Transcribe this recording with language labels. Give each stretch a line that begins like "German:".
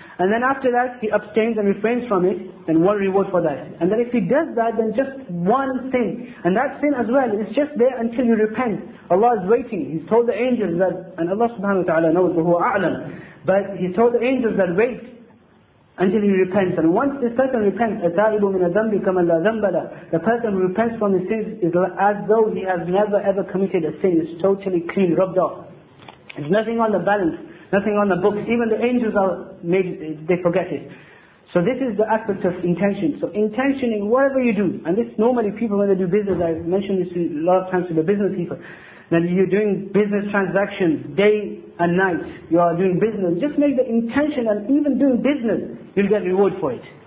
English: And then after that, he abstains and refrains from it, then one reward for that. And then if he does that, then just one sin. And that sin as well, is just there until you repent. Allah is waiting. He's told the angels that, and Allah subhanahu wa ta'ala knows,
Arabic: وَهُوَ أَعْلَمُ.
English: But he told the angels that wait until he repents. And once this person repents,
Arabic: أَتَائِبُ مِنَ ذَنْبِ كَمَنْ لَا ذَنْبَ لَا.
English: The person who repents from his sins is as though he has never ever committed a sin. It's totally clean, rubbed off. There's nothing on the balance, nothing on the books. Even the angels are made, they forget it. So this is the aspect of intention. So intention in whatever you do, and this normally people when they do business, I've mentioned this a lot of times to the business people, that you're doing business transactions day and night, you are doing business, just make the intention, and even doing business, you'll get reward for it.